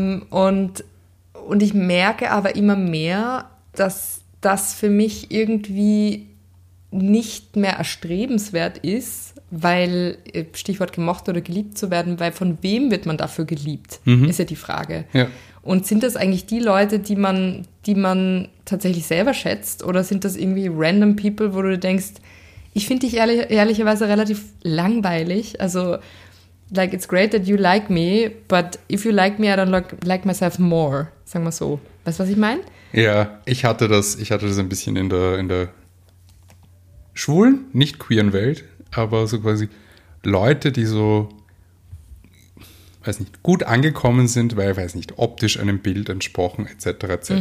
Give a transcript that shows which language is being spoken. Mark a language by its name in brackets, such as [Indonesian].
[German] und ich merke aber immer mehr, dass das für mich irgendwie nicht mehr erstrebenswert ist, weil, Stichwort gemocht oder geliebt zu werden, weil von wem wird man dafür geliebt, ist ja die Frage. Ja. Und sind das eigentlich die Leute, die man tatsächlich selber schätzt? Oder sind das irgendwie [English] random people, [German] wo du denkst, ich finde dich ehrlicherweise relativ langweilig. [English] Also, like, it's great that you like me, but if you like me, I don't like myself more. [German] Sagen wir so. Weißt du, was ich meine? Ja, ich hatte das ein bisschen in der schwulen, nicht queeren Welt, aber so quasi Leute, die so, weiß nicht, gut angekommen sind, weil, weiß nicht, optisch einem Bild entsprochen, etc., etc.